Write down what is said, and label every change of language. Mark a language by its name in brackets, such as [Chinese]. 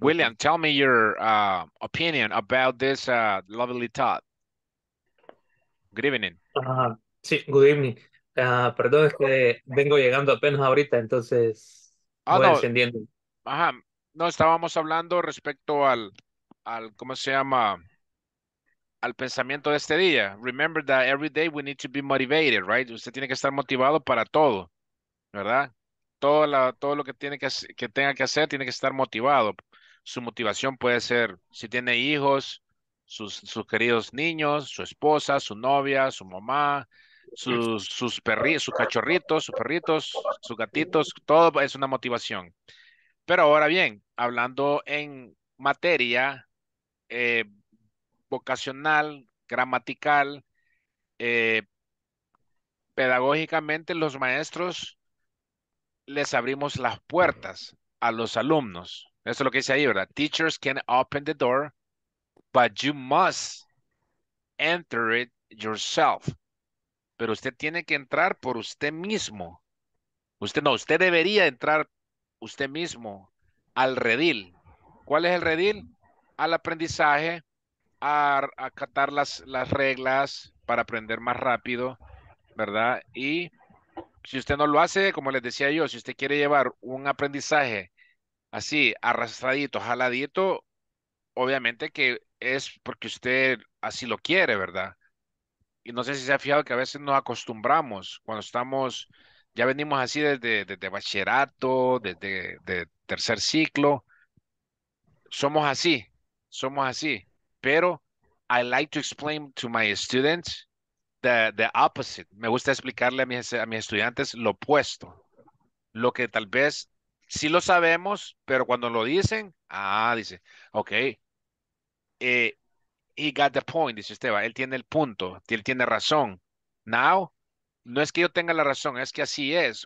[English] William, tell me your opinion about this lovely thought. Good evening. Sí, good evening. [Spanish] Perdón, es que vengo llegando apenas ahorita, entonces voy encendiendo. Ajá. No, estábamos hablando respecto al ¿cómo se llama? Al pensamiento de este día. [English] Remember that every day we need to be motivated, right? [Spanish] Usted tiene que estar motivado para todo, ¿verdad? Todo lo que tiene que tenga que hacer tiene que estar motivado. Su motivación puede ser si tiene hijos, sus queridos niños, su esposa, su novia, su mamá, sus cachorritos, sus gatitos, todo es una motivación. Pero ahora bien, hablando en materia vocacional, gramatical, pedagógicamente los maestros les abrimos las puertas a los alumnos. Eso es lo que dice ahí, ¿verdad? [English] Teachers can open the door, but you must enter it yourself. [Spanish] Pero usted tiene que entrar por usted mismo. Usted debería entrar usted mismo al redil. ¿Cuál es el redil? Al aprendizaje, a acatar las reglas para aprender más rápido, ¿verdad? Y si usted no lo hace, como les decía yo, si usted quiere llevar un aprendizaje así, arrastradito, jaladito, obviamente que es porque usted así lo quiere, ¿verdad? Y no sé si se ha fijado que a veces nos acostumbramos cuando estamos, ya venimos así desde bachillerato, desde tercer ciclo. Somos así. Pero [English] I like to explain to my students the opposite. [Spanish] Me gusta explicarle a mis estudiantes lo opuesto. Lo que tal vez sí lo sabemos, pero cuando lo dicen, dice, ok, [English] he got the point, [Spanish] dice Esteban, él tiene el punto, él tiene razón. Now, no es que yo tenga la razón, es que así es.